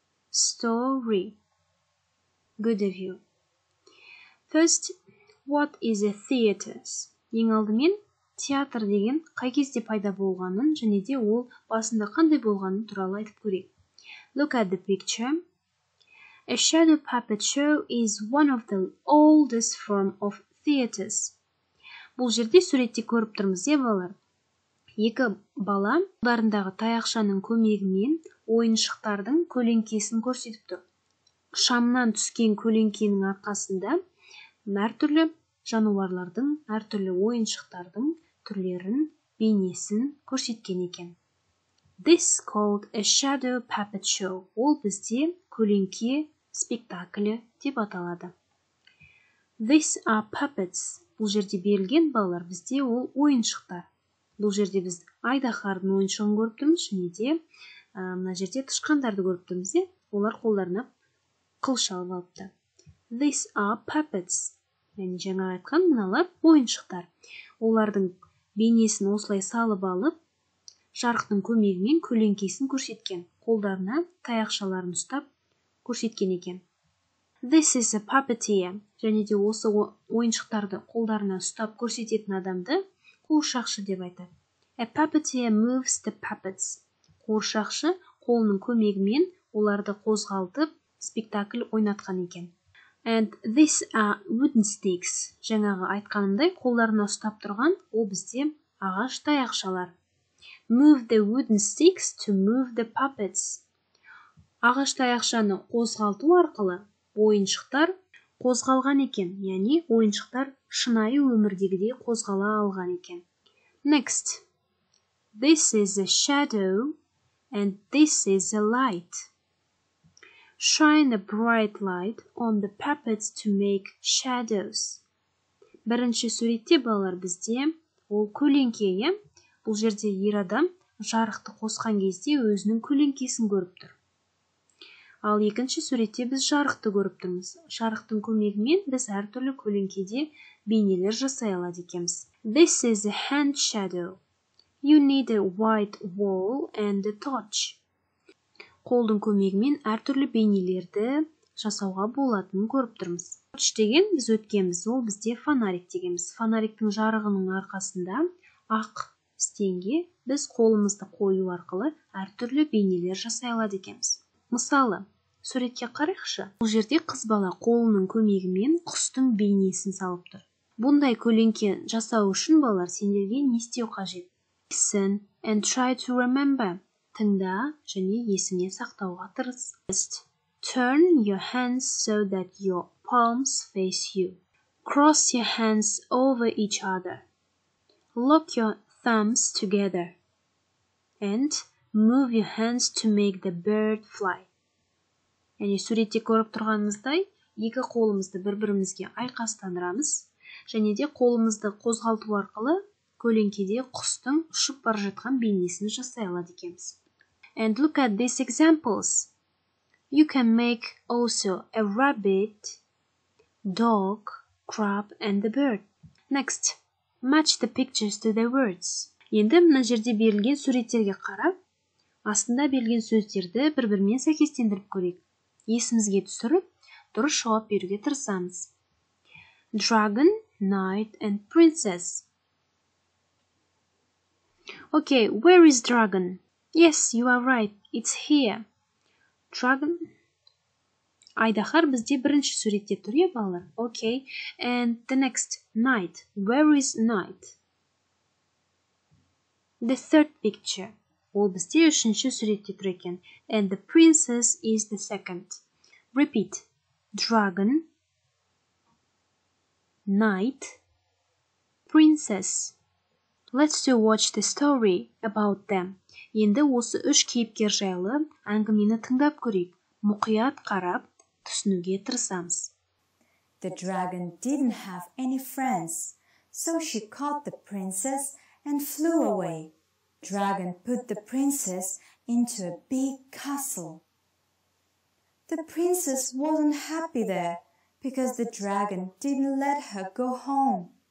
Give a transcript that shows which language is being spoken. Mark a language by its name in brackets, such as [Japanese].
[English] Story. Good of you. First, what is a theater? [Kazakh] Ең алдымен, театр деген қай кезде пайда болғанын және де ол басында қандай болғанын туралы айтып көрейік. [English] Look at the picture. A shadow puppet show is one of the oldest form of theaters. [Kazakh] Бұл жерде суретте көріп тұрмыз, е, балалар. Екі бала қолдарындағы таяқшаның көмегімен ойыншықтардың көлеңкесін көрсетіп тұр. Шамнан түскен көлеңкенің арқасында әртүрлі жануарлардың, әртүрлі ойыншықтардың түрлерін, бейнесін көрсеткен екен. [English] This called a shadow puppet show. [Kazakh] Ол бізде көлеңке спектаклі деп аталады. [English] These are puppets. [Kazakh] Бұл жерде берілген балалар бізде ол ойыншықтар. Бұл жерде біз айдахардың ойыншығын көріп тұрмыз, және де мына жерде тышқандарды көріп тұрмыз, олар қолдарына қылша алыпты. [English] These are puppets. [Kazakh] Яғни жаңа айтқан мыналар ойыншықтар. Олардың бейнесін осылай салып алып, жарықтың көмегімен көлеңкесін көрсеткен, қолдарына таяқшаларын ұстап көрсеткен екен. [English] This is a puppeteer. [Kazakh] Және де осы ойыншықтарды қолдарына ұстап көрсететін адамды қуыршақшы деп айтады. [English] A puppeteer moves the puppets. [Kazakh] Қуыршақшы қолының көмегімен оларды қозғалтып, спектакль ойнатқан екен. [English] And these are wooden sticks. [Kazakh] Жаңағы айтқанымдай, қолларына ұстап тұрған, ол бізде ағаш таяқшалар. [English] Move the wooden sticks to move the puppets. [Kazakh] Ағаш таяқшаны қозғалту арқылы ойыншықтар қозғалған екен, яғни ойыншықтар шынайы өмірдегідей қозғала алған екен. [English] Next. This is a shadow and this is a light. Shine a bright light on the puppets to make shadows. [Kazakh] Бірінші суретте балалар бізде ол көлеңке, е? Бұл жерде ер адам жарықты қосқан кезде өзінің көлеңкесін көріп тұр. Ал екінші суретте біз жарықты көріп тұрмыз. Жарықтың көмегімен біз әртүрлі көлеңкеде бейнелер жасай алады екенбіз. [English] This is a hand shadow. You need a white wall and a torch. [Kazakh] Қолдың көмегімен әртүрлі бейнелерді жасауға болатынын көріп тұрмыз. Торч деген біз өткеміз, ол бізде фонарик дегеніміз. Фонариктің жарығының арқасында ақ стенге біз қолымызды қою арқылы әртүрлі бейнелер жасай алады екенбіз. Мысалы, суретке қарайықшы. Бұл жерде қыз бала қолының көмегімен құстың бейнесін салып тұр. Бұндай көлеңке жасау үшін балалар сендерге не істеу қажет? [English] Listen and try to remember. [Kazakh] Тыңда және есіңе сақтауға тырыс. [English] First, turn your hands so that your palms face you. Cross your hands over each other. Lock your thumbs together. And move your hands to make the bird fly. [Kazakh] Яғни суретте көріп тұрғаныңыздай, екі қолымызды бір-бірімізге айқастандырамыз. Және де қолымызды қозғалту арқылы көлеңкеде құстың ұшып бара жатқан бейнесін жасай алады екенбіз. [English] And look at these examples. You can make also a rabbit, dog, crab and the bird. Next, match the pictures to the words. [Kazakh] Енді мына жерде берілген суреттерге қарап, астында берілген сөздерді бір-бірімен сәйкестендіріп көрейік. Есімізге түсіріп, дұрыс жауап беруге тырысамыз. [English] Dragon, knight and princess. Okay, where is dragon? Yes, you are right. It's here. Dragon. [Kazakh] Айдахар бізде бірінші суретте тұр, е, балалар. [English] Okay. And the next, knight. Where is knight? The third picture. [Kazakh] Ол бізде үшінші суретте тұр екен. [English] And the princess is the second. Repeat. Dragon. Knight. Princess. Let's do watch the story about them. [Kazakh] Енді осы үш кейіпкер жайлы әңгімені тыңдап көрейік. Мұқият қарап, түсінуге тырысамыз. [English] The dragon didn't have any friends, so she caught the princess and flew away. Dragon put the princess into a big castle. The princess wasn't happy there because the dragon didn't let her go home.